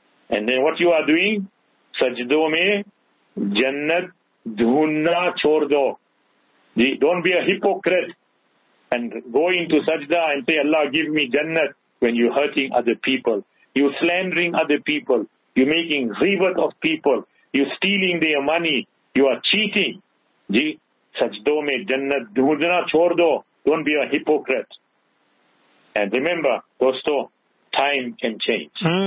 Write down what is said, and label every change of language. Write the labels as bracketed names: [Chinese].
[English] And then what you are doing, [Urdu] sajdo mein jannat dhunna chhod do. [English] Don't be a hypocrite. And go into sajda and say, Allah, give me jannat, when you're hurting other people, you're slandering other people, you're making ghibat of people, you're stealing their money, you are cheating. [Urdu] سجدوں میں جنت ڈھونڈنا چھوڑ دو. [English] Don't be a hypocrite. And remember, دوستو, time can change.